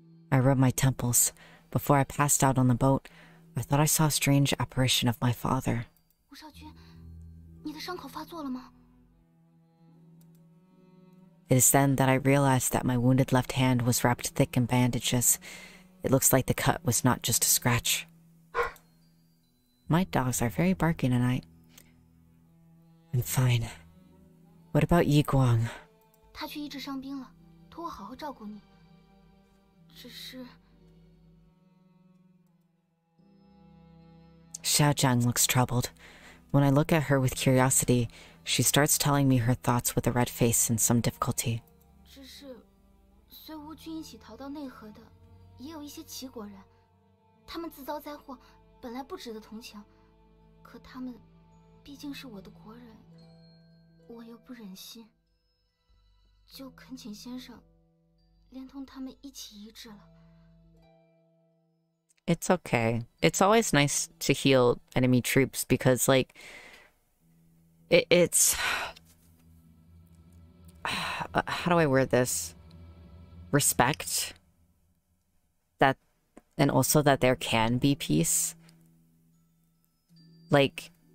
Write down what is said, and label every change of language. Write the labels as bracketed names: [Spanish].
[English] I rubbed my temples. Before I passed out on the boat, I thought I saw a strange apparition of my father. [Chinese] 吴少君，你的伤口发作了吗？ [English] It is then that I realized that my wounded left hand was wrapped thick in bandages. It looks like the cut was not just a scratch. My dogs are very barky tonight. I'm fine. What about Yi Guang? [Chinese] 他去医治伤兵了，托我好好照顾你。只是 [English] Xiao Zhang looks troubled. When I look at her with curiosity,She starts telling me her thoughts with a red face and some difficulty. [Chinese] 只是，随吴军一起逃到内河的，也有一些齐国人，他们自遭灾祸，本来不值得同情，可他们，毕竟是我的国人，我又不忍心，就恳请先生，连同他们一起医治了。 [English] It's okay. It's always nice to heal enemy troops because, like. It's... How do I word this? Respect. That... And also that there can be peace. Like...